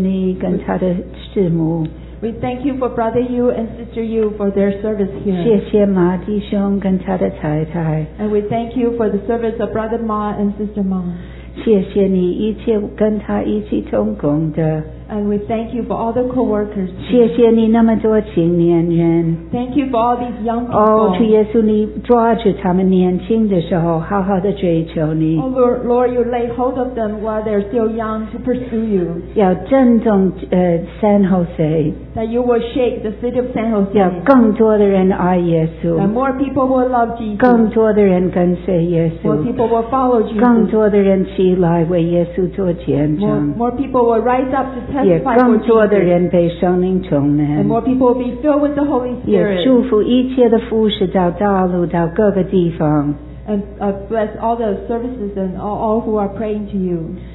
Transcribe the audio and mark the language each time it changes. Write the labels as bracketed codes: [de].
[zh] 谢谢你我们的于洪杰弟兄在这里服侍你跟他的师母。 [en] We thank you for Brother Yu and Sister Yu for their service here. [zh] 谢谢马弟兄跟他的太太。 [en] And we thank you for the service of Brother Ma and Sister Ma. [zh] 谢谢你一切跟他一起同工的。 [en] And we thank you for all the co-workers. [zh] 谢谢你那么多青年人。 [en] Thank you for all these young people. [zh] 主耶稣，你抓住他们年轻的时候，好好的追求你。 [en] Oh Lord, you lay hold of them while they're still young to pursue you. [zh] 要震动, San Jose. [en] That you will shake the city of San Jose. [zh] 要更多的人爱耶稣。 [en] And more people will love Jesus. [zh] 更多的人跟随耶稣。 [en] More people will follow Jesus. [zh] 更多的人起来为耶稣做见证。 [en] More people will rise up to testify. [zh] 也更多的人被圣灵充满。 [en] And more people will be filled with the Holy Spirit. [zh] 也祝福一切的服事到大陆到各个地方。 [en] And bless all the services and all who are praying to you.